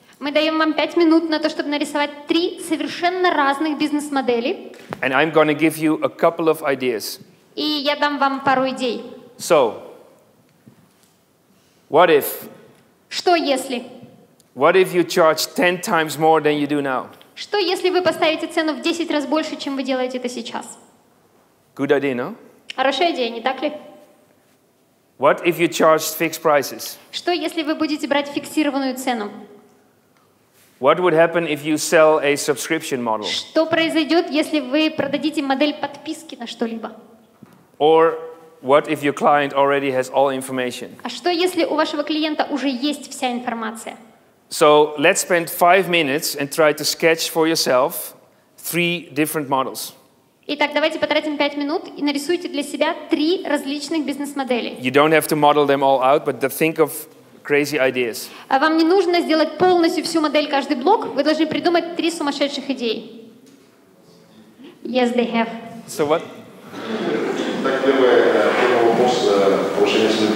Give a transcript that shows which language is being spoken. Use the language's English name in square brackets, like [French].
[Russian] Мы даем вам 5 минут на то, чтобы нарисовать 3 совершенно разных бизнес-модели. [English] And I'm going to give you a couple of ideas. [Russian] И я дам вам пару идей. [English] So, what if? [Russian] Что если? [English] What if you charge 10 times more than you do now? [Russian] Что если вы поставите цену в 10 раз больше, чем вы делаете это сейчас? [English] Good idea, no? [Russian] Хорошая идея, не так ли? [English] What if you charge fixed prices? [Russian] Что если вы будете брать фиксированную цену? [English] What would happen if you sell a subscription model? [Russian] Что произойдет, если вы продадите модель подписки на что-либо? [English] Or what if your client already has all information? [Russian] А что если у вашего клиента уже есть вся информация? [English] So let's spend 5 minutes and try to sketch for yourself 3 different models. [Russian] Итак, давайте потратим 5 минут и нарисуйте для себя 3 различных бизнес-модели. [English] You don't have to model them all out, but think of crazy ideas. [Russian] А вам не нужно сделать полностью всю модель каждый блок. Вы должны придумать 3 сумасшедших идеи. [English] Yes, they have. So what? [Russian] Так, первый вопрос повышение